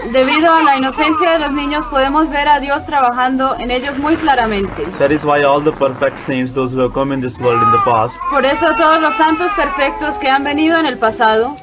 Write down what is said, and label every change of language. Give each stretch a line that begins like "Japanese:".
Spanish: Debido a la inocencia de los niños, podemos ver a Dios trabajando en ellos muy claramente.
English: That is why all the perfect saints, those who have come in this world in the past,
Spanish: por eso todos los santos perfectos que han venido en el pasado,